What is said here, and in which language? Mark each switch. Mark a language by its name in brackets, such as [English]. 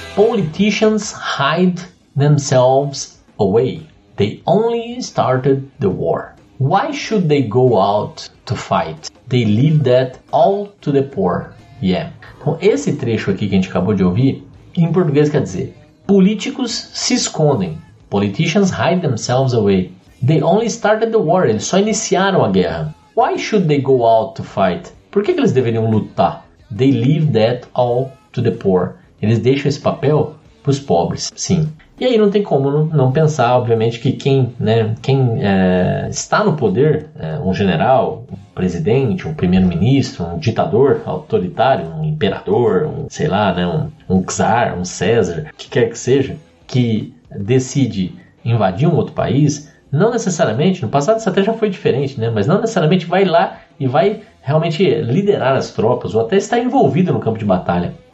[English] Politicians hide themselves away. They only started the war. Why should they go out to fight? They leave that all to the poor. Yeah. [Portuguese] Então, esse trecho aqui que a gente acabou de ouvir, em português quer dizer: políticos se escondem. [English] Politicians hide themselves away. They only started the war. [Portuguese] Eles só iniciaram a guerra. [English] Why should they go out to fight? [Portuguese] Por que que eles deveriam lutar? [English] They leave that all to the poor. [Portuguese] Eles deixam esse papel para os pobres, sim. E aí não tem como não pensar, obviamente, que quem, né, está no poder, um general, um presidente, um primeiro-ministro, um ditador autoritário, um imperador, um, sei lá, né, um czar, um César, o que quer que seja, que decide invadir um outro país, não necessariamente, no passado isso até já foi diferente, né, mas não necessariamente vai lá e vai realmente liderar as tropas ou até estar envolvido no campo de batalha.